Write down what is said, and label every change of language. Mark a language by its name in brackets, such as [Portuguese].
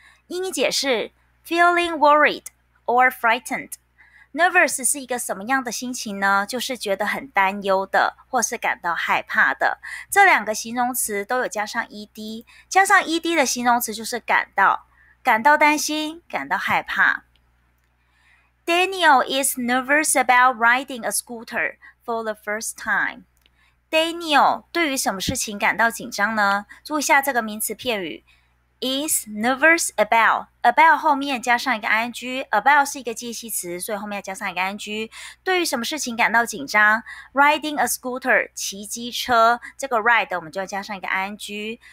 [Chinese] 英语解释， [English] Feeling worried or frightened. [Chinese] Nervous 是一个什么样的心情呢？就是觉得很担忧的，或是感到害怕的。这两个形容词都有加上 ed， 加上 ed 的形容词就是感到，感到担心，感到害怕。 [English] Daniel is nervous about riding a scooter for the first time. [Chinese] Daniel 对于什么事情感到紧张呢？注意一下这个名词片语。 [English] Is nervous about [Chinese] 后面加上一个 ing， about 是一个介系词，所以后面加上一个 ing。对于什么事情感到紧张， [English] riding a scooter [Chinese] 骑机车，这个 ride 我们就要加上一个 ing。